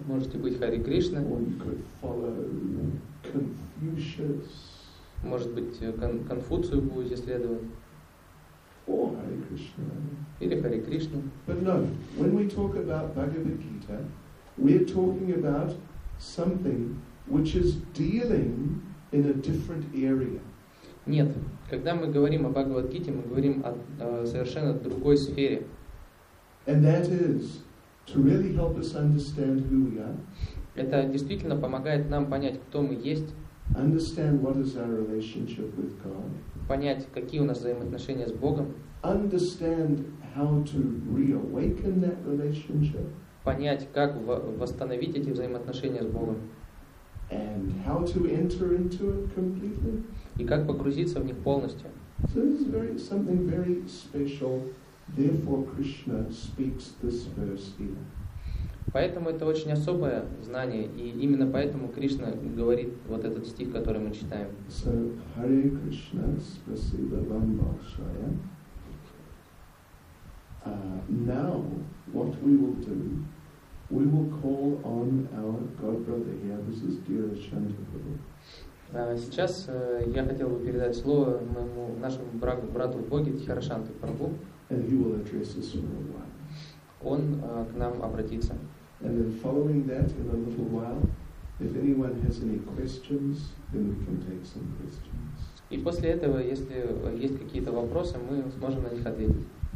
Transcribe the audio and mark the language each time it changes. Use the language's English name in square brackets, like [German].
[Russian] Можете быть Харе Кришна. [English] Or you could follow Confucius. [Russian] Может быть, Конфуцию будете следовать. [English] Or Hare Krishna. But no, when we talk about Bhagavad Gita, we're talking about something which is dealing in a different area. [Russian] Нет, когда мы говорим о Бхагавад Гите, мы говорим о совершенно другой сфере. [English] And that is to really help us understand who we are. [Russian] Это действительно помогает нам понять, кто мы есть. [English] Understand what is our relationship with God. [Russian] Понять, какие у нас взаимоотношения с Богом. [English] Understand how to reawaken that relationship. [Russian] Понять, как восстановить эти взаимоотношения с Богом. [English] And how to enter into it completely. [Russian] И как погрузиться в них полностью. [English] So this is very, something very special. Therefore, Krishna speaks this verse here. [Russian] Поэтому это очень особое знание, и именно поэтому Кришна говорит вот этот стих, который мы читаем. So, Hare Krishna, спасибо вам большое. [English] Now, what we will do, we will call on our God brother here, this is Dira Shantaguru. [Russian] Сейчас я хотел бы передать слово моему нашему брату Боге Дхира Шантаправу. [English] And he will address us for a while. [Russian] Он к нам обратится. [English] And then following that, in a little while, if anyone has any questions, then we can take some questions. [Russian] И после этого, если есть какие-то вопросы, мы сможем на них ответить.